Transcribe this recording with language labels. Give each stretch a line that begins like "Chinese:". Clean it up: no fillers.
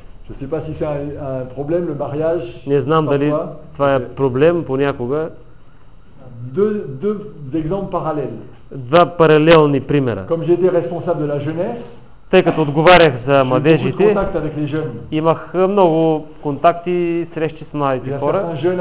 French: Je sais pas si c'est un problème, le mariage.
Bulgarian: Не знам дали това е проблем понякога.
French: Deux exemples parallèles.
Bulgarian: Два паралелни примера.
French: Comme j'étais responsable de la jeunesse.
Bulgarian: Тъй като отговарях за младежите, имах много контакти и срещи с младите хора.